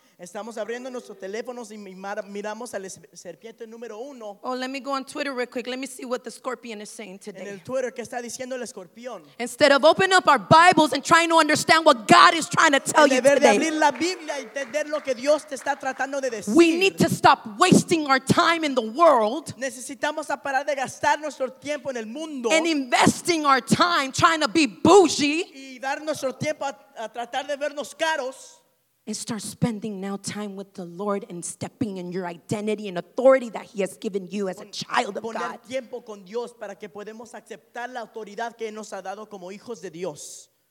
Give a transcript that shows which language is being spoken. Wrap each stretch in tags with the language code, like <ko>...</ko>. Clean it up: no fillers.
<es>Estamos abriendo nuestros teléfonos y miramos al serpiente número uno.</es> <en>Oh, let me go on Twitter real quick. Let me see what the scorpion is saying today.</en> <es>En el Twitter, ¿qué está diciendo el escorpión?</es> <en>Instead of opening up our Bibles and trying to understand what God is trying to tell you today.</en> <es>De abrir la Biblia y entender lo que Dios te está tratando de decir.</es> <en>We need to stop wasting our time in the world.</en> <es>Necesitamos a parar de gastar nuestro tiempo en el mundo.</es> <en>And investing our time trying to be bougie.</en> <es>Y dar nuestro tiempo a tratar de vernos caros.</es> <en>And start spending now time with the Lord and stepping in your identity and authority that he has given you as a child of God.</en> <es>Poner tiempo con Dios para que podamos aceptar la autoridad que nos ha dado como hijos de Dios.</es>